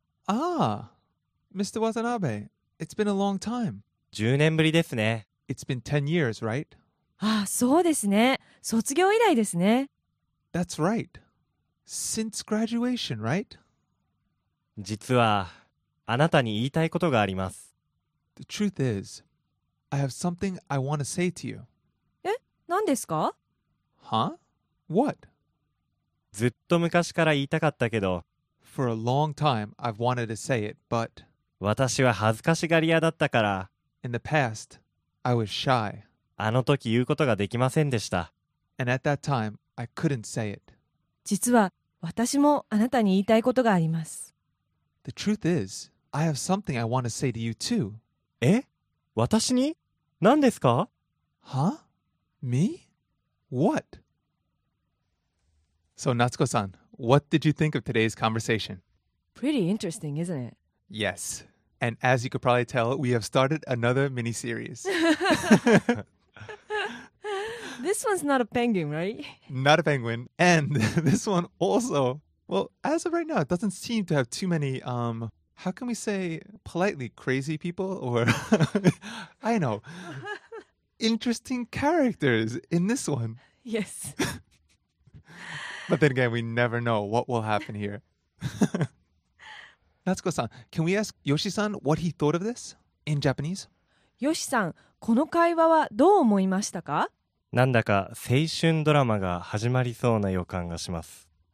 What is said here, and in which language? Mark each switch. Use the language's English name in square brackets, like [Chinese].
[English] ああ、Mr. Watanabe, it's been a long time. [Japanese] 10年ぶりですね。 [English] It's been 10 years, right? [Japanese] ああ、そうですね。卒業以来ですね。 [English] That's right. Since graduation, right? [Japanese] 実は、あなたに言いたいことがあります。 [English] The truth is, I have something I want to say to you. [Japanese] え、何ですか? [English] Huh? What? [Japanese] ずっと昔から言いたかったけど、 [English] For a long time, I've wanted to say it, but [Japanese] 私は恥ずかしがり屋だったから、 [English] In the past, I was shy. [Japanese] あの時言うことができませんでした。 [English] And at that time, I couldn't say it. [Japanese] 実は、私もあなたに言いたいことがあります。 [English] The truth is, I have something I want to say to you too. [Japanese] え?私に?何ですか? [English] Huh? Me? What? So, Natsuko-san, what did you think of today's conversation? Pretty interesting, isn't it? Yes. And as you could probably tell, we have started another mini-series. This one's not a penguin, right? Not a penguin. And this one also... Well, as of right now, it doesn't seem to have too many, how can we say politely crazy people or, I know, interesting characters in this one. Yes. But then again, we never know what will happen here. Natsuko-san, can we ask Yoshi-san what he thought of this in Japanese? [Japanese] Yoshi-san, この会話はどう思いましたか？なんだか青春ドラマが始まりそうな予感がします。